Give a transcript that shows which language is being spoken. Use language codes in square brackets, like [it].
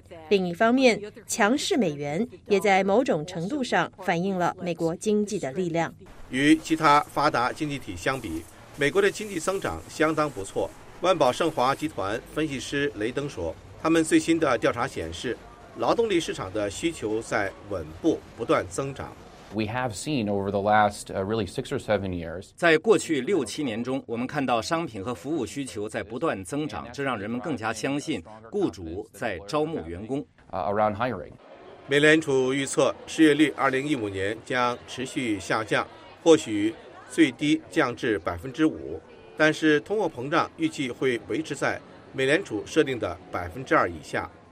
[zh] 另一方面，强势美元也在某种程度上反映了美国经济的力量。与其他发达经济体相比，美国的经济增长相当不错。万宝盛华集团分析师雷登说，他们最新的调查显示，劳动力市场的需求在稳步不断增长。 [en] We have seen over the last really six or seven years. [zh] 在过去六七年中，我们看到商品和服务需求在不断增长，这让人们更加相信雇主在招募员工。 [en] Around hiring. [zh] 美联储预测失业率2015年将持续下降，或许最低降至5%，但是通货膨胀预计会维持在美联储设定的2%以下。